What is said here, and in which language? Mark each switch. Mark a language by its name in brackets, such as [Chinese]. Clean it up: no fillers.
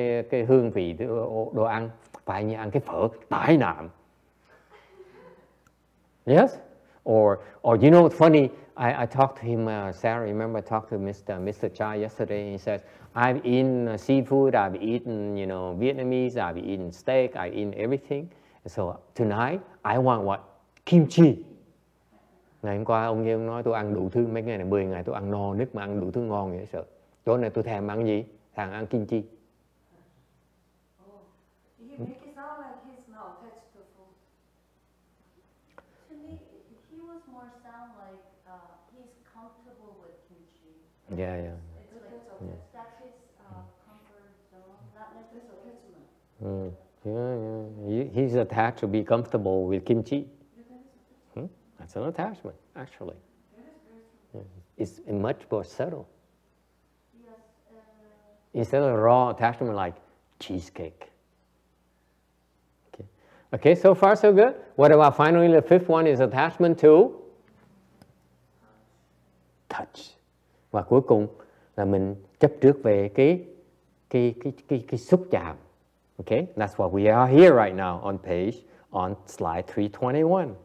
[Vietnamese] Cái hương vị đồ ăn phải như ăn cái phở tái nạm. [English] Yes? Or you know, funny, I talked to him, Sarah, remember I talked to Mr. Chai yesterday, and he said, I've eaten seafood, I've eaten, you know, Vietnamese, I've eaten steak, I've eaten everything. So tonight, I want what? Kimchi. [Vietnamese] Ngày hôm qua, ông Nhiên nói tôi ăn đủ thứ, mấy ngày này, 10 ngày tôi ăn no nước mà ăn đủ thứ ngon vậy sợ. Tối nay tôi thèm ăn gì? Thèm ăn kimchi. [English] Oh, he make it sound like he's not attached to food. To me, he was more sound like he's comfortable with kimchi. Yeah, yeah. Yeah, yeah. He's attached to be comfortable with kimchi. That's an attachment, actually. Yeah. It's much more subtle. Instead of a raw attachment like cheesecake. Okay, so far so good. What about finally the fifth one is attachment to? Touch. [Vietnamese] Và cuối cùng là mình chấp trước về cái xúc chạm. [English] Okay, that's what we are here right now on slide 321.